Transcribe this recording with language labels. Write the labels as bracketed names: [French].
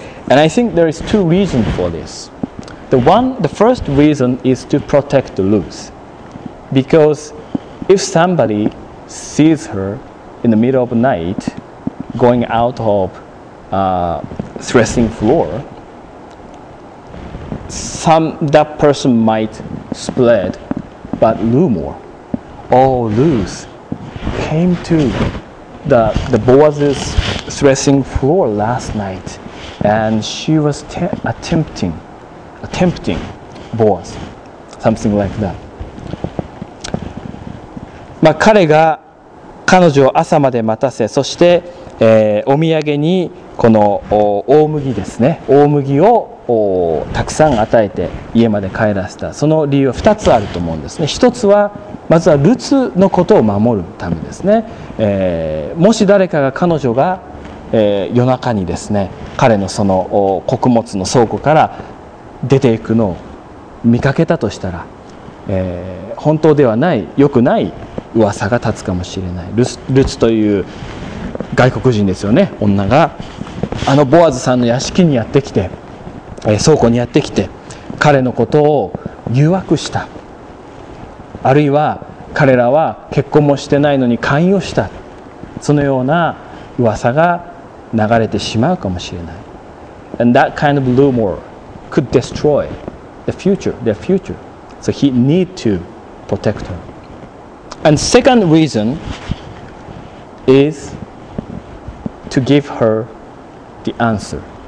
[English] And I think there is two reasons for this. The first reason is to protect Ruth, because if somebody sees her in the middle of the night going out of threshing floorthat person might spread but rumor. Oh, Ruth came to the Boaz's threshing floor last night and she was attempting Boaz. Something like that. [Japanese] まあ彼が彼女を朝まで待たせ、そして、お土産にこの大麦ですね。大麦をたくさん与えて家まで帰らせた、その理由は2つあると思うんですね。 1つはまずはルツのことを守るためですね、もし誰かが彼女が、夜中にですね彼のその穀物の倉庫から出ていくのを見かけたとしたら、本当ではない良くない噂が立つかもしれない。ルツという外国人ですよね、女があのボアズさんの屋敷にやってきて、倉庫にやってきて彼のことを誘惑した、あるいは彼らは結婚もしてないのに勧誘した、そのような噂が流れてしまうかもしれない。 [English] And that kind of rumor could destroy their future. So he need to protect her. And second reason is to give her the answer.